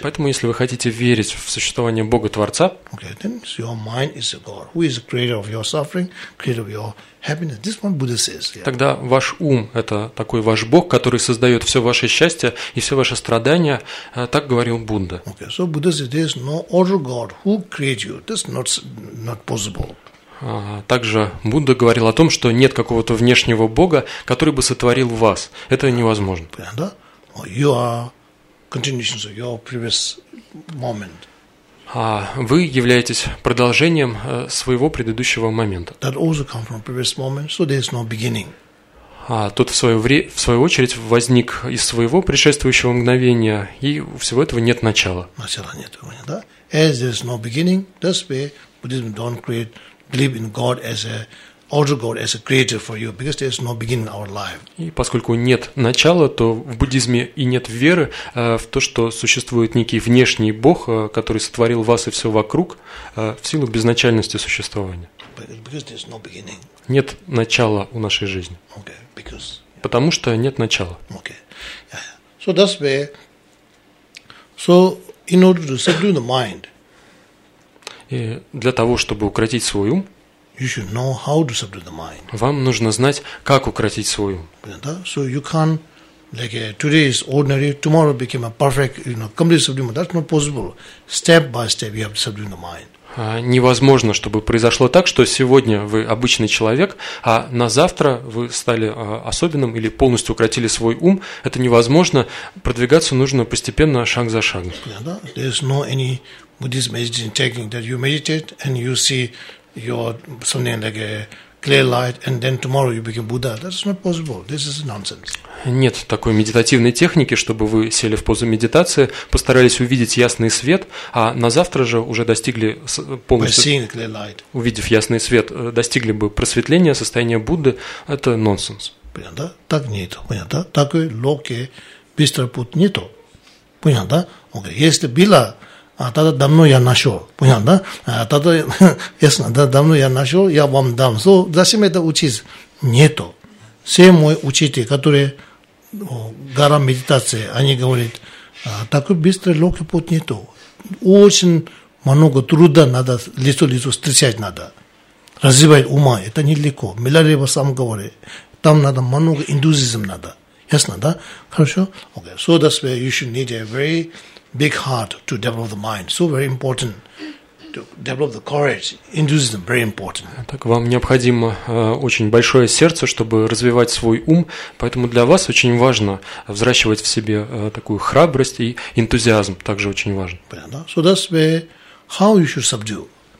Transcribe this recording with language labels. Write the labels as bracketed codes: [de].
[ru] Поэтому если вы хотите верить в существование Бога Творца, [en] okay, then your mind is a God, who is the creator of your suffering, creator of your happiness. This one Buddha says. Yeah. [ru] Тогда ваш ум это такой ваш Бог, который создает все ваше счастье и все ваши страдания, так говорил Будда. [en] Okay, so Buddha says there is no other God who created you. That's not possible. [ru] Также Будда говорил о том, что нет какого-то внешнего Бога, который бы сотворил вас. Это невозможно. [en] You are continuation of your previous moment. [ru] Вы являетесь продолжением своего предыдущего момента. [en] That also comes from previous moment, so there is no beginning. [ru] Тот в свою очередь возник из своего предшествующего мгновения, и у всего этого нет начала. Начала нет, да? [en] As there is no beginning, that's why Buddhism don't create, believe in God as a also God as a creator for you, because there is no beginning in our life. [ru] И поскольку нет начала, то в буддизме и нет веры в то, что существует некий внешний Бог, который сотворил вас и все вокруг в силу безначальности существования. [en] Because there is no beginning. [ru] Нет начала у нашей жизни. [en] Okay, because, [ru] yeah. Потому что нет начала. [en] Okay. Yeah. So that's where, so in order to subdue the mind. [ru] И для того, чтобы укротить свой ум, [en] you should know how to subdue the mind. [ru] Вам нужно знать, как укротить свой ум. [en] So you can't, like today is ordinary, tomorrow become a perfect, you know, complete subdue. That's not possible. Step by step, you have to subdue the mind. [ru] Невозможно, чтобы произошло так, что сегодня вы обычный человек, а на завтра вы стали особенным или полностью укротили свой ум. Это невозможно. Продвигаться нужно постепенно, шаг за шагом. [en] There is no any Buddhist meditation technique that you meditate and you see your something like a clear light and then tomorrow you become Buddha. That's not possible. This is nonsense. [ru] Нет такой медитативной техники, чтобы вы сели в позу медитации, постарались увидеть ясный свет, а на завтра же уже достигли полностью, [en] by seeing clear light, [ru] увидев ясный свет, достигли бы просветления, состояния Будды. Это нонсенс. Понятно? Так нету. Понятно? Такой легкий, быстрый путь нету. Понятно? Okay. Если было, тогда давно я нашел. Понятно? Тогда ясно, давно я нашел, я вам дам. So, зачем это учить? Нету. Все мои учители, которые гора медитации, они говорят, такой быстрый, легкий путь нету. Очень много труда надо, лицо встречать надо. Развивать ума, это нелегко. Милярева сам говорит, там надо много индуизм надо. Ясно, да? Хорошо? Okay. [en] So that's where you should need a very big heart to develop the mind. So very important. Develop the courage. Hinduism very important. [ru] Так вам необходимо очень большое сердце, чтобы развивать свой ум. Поэтому для вас очень важно взращивать в себе такую храбрость и энтузиазм. Также очень важно. [en] Понятно? So that's where how you should subdue.